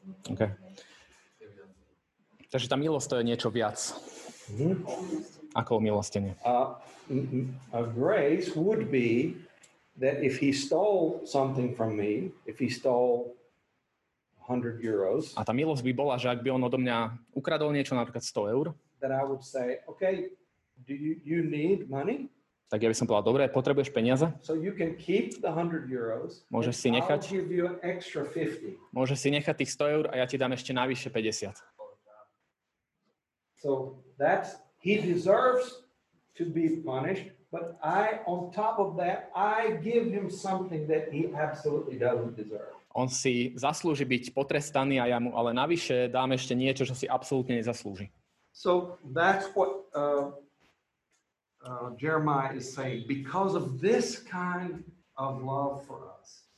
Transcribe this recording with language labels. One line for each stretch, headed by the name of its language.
English: OK.
Slovak: Takže tá milosť to je niečo viac. Mm-hmm. Ako umilostenie.
English: A grace would be that if he stole something from me, if he stole 100 euros.
Slovak: A tá milosť by bola, že ak by on odo mňa ukradol niečo, napríklad 100 eur.
English: That I would say, okay, do you need money?
Slovak: Tak ja by som povedal, dobre, potrebuješ peniaze?
English: So you can keep the 100 euros.
Slovak: Môžeš si nechať.
English: I'll give you an extra 50.
Slovak: Môžeš si nechať tých 100 eur a ja ti dám ešte navyše 50.
English: So that's, he deserves to be punished, but I, on top of that, I give him something that he absolutely doesn't deserve.
Slovak: On si zaslúži byť potrestaný a ja mu ale navyše dám ešte niečo, čo si absolútne nezaslúži.
English: So that's what Jeremiah is saying, because of this kind of love for us.